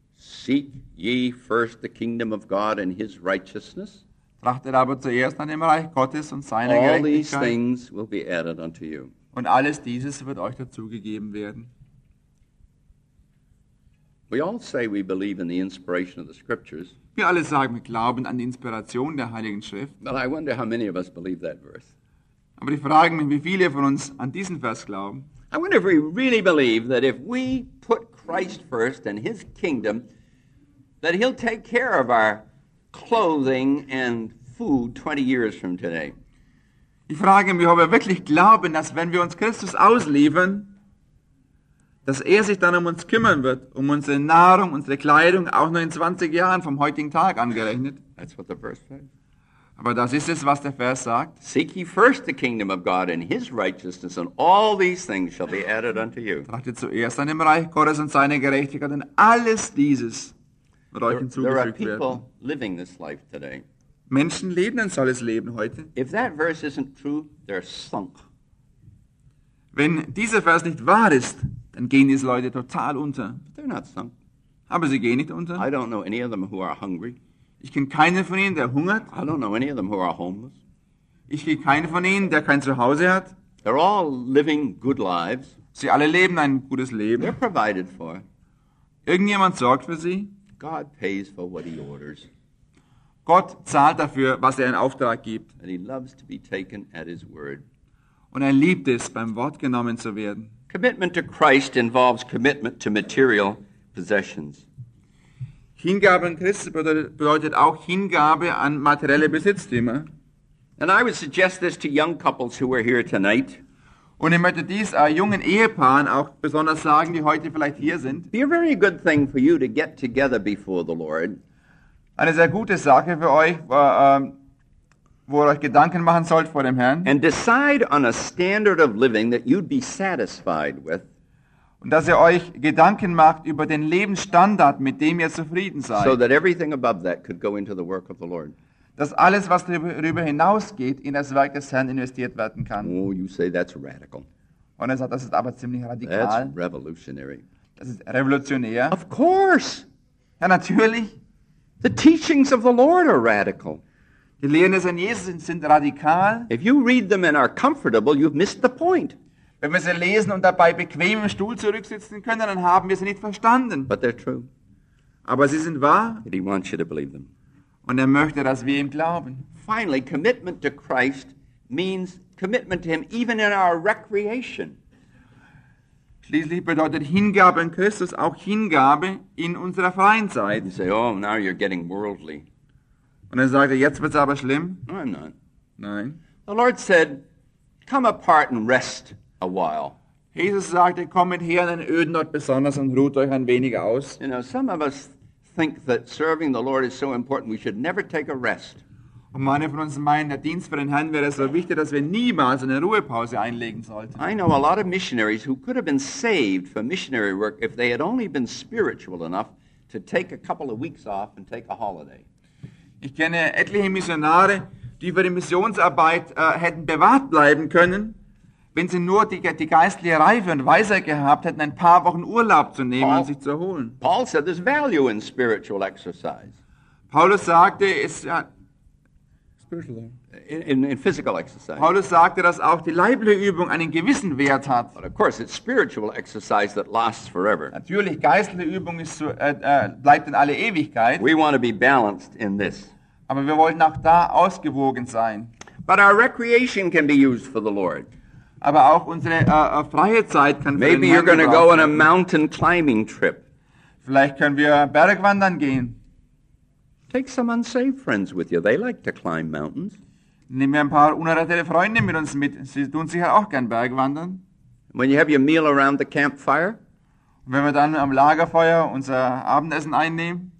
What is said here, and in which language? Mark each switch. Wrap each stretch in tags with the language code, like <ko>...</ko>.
<en>Seek ye first the kingdom of God and his righteousness.</en> <de>Trachtet aber zuerst nach dem Reich Gottes und seiner Gerechtigkeit.</de> <en>All these things will be added unto you.</en> <de>Und alles dieses wird euch dazugegeben werden.</de> <en>We all say we believe in the inspiration of the scriptures.</en> <de>Wir alle sagen, wir glauben an die Inspiration der Heiligen Schrift.</de> <en>But I wonder how many of us believe that verse.</en> <de>Aber ich frage mich, wie viele von uns an diesen Vers glauben.</de> <en>I wonder if we really believe that if we put Christ first and his kingdom, that he'll take care of our clothing and food 20 years from today.</en> <de>Ich frage mich, ob wir wirklich glauben, dass wenn wir uns Christus ausliefern, dass er sich dann um uns kümmern wird, um unsere Nahrung, unsere Kleidung, auch nur in 20 Jahren vom heutigen Tag angerechnet.</de> <en>That's what the verse says.</en> <de>Aber das ist es, was der Vers sagt.</de> <en>Seek ye first the kingdom of God and his righteousness, and all these things shall be added unto you.</en> <de>Trachtet zuerst an dem Reich Gottes und seine Gerechtigkeit, und alles dieses wird euch hinzugefügt werden.</de> <en>There are people living this life today.</en> <de>Menschen leben ein solches Leben heute.</de> <en>If that verse isn't true, they're sunk.</en> <de>Wenn dieser Vers nicht wahr ist, dann gehen diese Leute total unter.</de> <en>But they're not sunk.</en> <de>Aber sie gehen nicht unter.</de> <en>I don't know any of them who are hungry.</en> <de>Ich kenne keinen von ihnen, der hungert.</de> <en>I don't know any of them who are homeless.</en> <de>Ich kenne keinen von ihnen, der kein Zuhause hat.</de> <en>They're all living good lives.</en> <de>Sie alle leben ein gutes Leben.</de> <en>They're provided for.</en> <de>Irgendjemand sorgt für sie.</de> <en>God pays for what he orders.</en> <de>Gott zahlt dafür, was er in Auftrag gibt.</de> <en>And he loves to be taken at his word.</en> <de>Und er liebt es, beim Wort genommen zu werden.</de> <en>Commitment to Christ involves commitment to material possessions.</en> <de>Hingabe an Christus bedeutet auch Hingabe an materielle Besitztümer.</de> <en>And I would suggest this to young couples who are here tonight.</en> <de>Und ich möchte dies jungen Ehepaaren auch besonders sagen, die heute vielleicht hier sind.</de> <en>Be a very good thing for you to get together before the Lord.</en> <de>Eine sehr gute Sache für euch, wo ihr euch Gedanken machen sollt vor dem Herrn.</de> <en>And decide on a standard of living that you'd be satisfied with.</en> <de>Dass ihr euch Gedanken macht über den Lebensstandard, mit dem ihr zufrieden seid.</de> <en>So that everything above that could go into the work of the Lord.</en> <de>Dass alles, was darüber hinausgeht, in das Werk des Herrn investiert werden kann.</de> <en>Oh, you say that's radical.</en> <de>Und er sagt, das ist aber ziemlich radikal.</de> <en>That's revolutionary.</en> <de>Das ist revolutionär.</de> <en>Of course.</en> <de>Ja, natürlich.</de> <en>The teachings of the Lord are radical.</en> <de>Die Lehren des Herrn Jesus sind radikal.</de> <en>If you read them and are comfortable, you've missed the point.</en> <de>Wenn wir sie lesen und dabei bequem im Stuhl zurücksitzen können, dann haben wir sie nicht verstanden.</de> <en>But they're true.</en> <de>Aber sie sind wahr.</de> <en>He wants you to believe them.</en> <de>Und er möchte, dass wir ihm glauben.</de> <en>Finally, commitment to Christ means commitment to him even in our recreation.</en> <de>Schließlich bedeutet Hingabe an Christus auch Hingabe in unserer freien Zeit.</de> <en>You say, oh, now you're getting worldly.</en> <de>Und er sagte, jetzt wird's aber schlimm.</de> <en>No, I'm not.</en> <de>Nein.</de> <en>The Lord said, come apart and rest. A while.</en> <de>Jesus sagte, kommt her an einen öden Ort besonders und ruht euch ein wenig aus.</de> <en>You know, some of us think that serving the Lord is so important we should never take a rest.</en> <de>Und manche von uns meinen, der Dienst für den Herrn wäre so wichtig, dass wir niemals eine Ruhepause einlegen sollten.</de> <en>I know a lot of missionaries who could have been saved for missionary work if they had only been spiritual enough to take a couple of weeks off and take a holiday.</en> <de>Ich kenne etliche Missionare, die für die Missionsarbeit hätten bewahrt bleiben können, wenn sie nur die geistliche Reife und Weisheit gehabt hätten, ein paar Wochen Urlaub zu nehmen und sich zu erholen.</de> <en>Paul said there's value in spiritual exercise.</en> <de>Paulus sagte, es</de> <en>spiritual in physical exercise.</en> <de>Paulus sagte, dass auch die leibliche Übung einen gewissen Wert hat.</de> <en>But of course, it's spiritual exercise that lasts forever.</en> <de>Natürlich, geistliche Übung ist so, bleibt in alle Ewigkeit.</de> <en>We want to be balanced in this.</en> <de>Aber wir wollten auch da ausgewogen sein.</de> <en>But our recreation can be used for the Lord.</en> <de>Aber auch unsere freie Zeit kann</de> <en>maybe</en> <de>für den</de> <en>you're going to go on a mountain climbing trip.</en> <de>Vielleicht können wir Bergwandern gehen.</de> <en>Take some unsaved friends with you. They like to climb mountains.</en> <de>Nehmen wir ein paar unerrettete Freunde mit uns mit. Sie tun sicher auch gern Bergwandern.</de> <en>When you have your meal around the campfire.</en> <de>Wenn wir dann am Lagerfeuer unser Abendessen einnehmen.</de>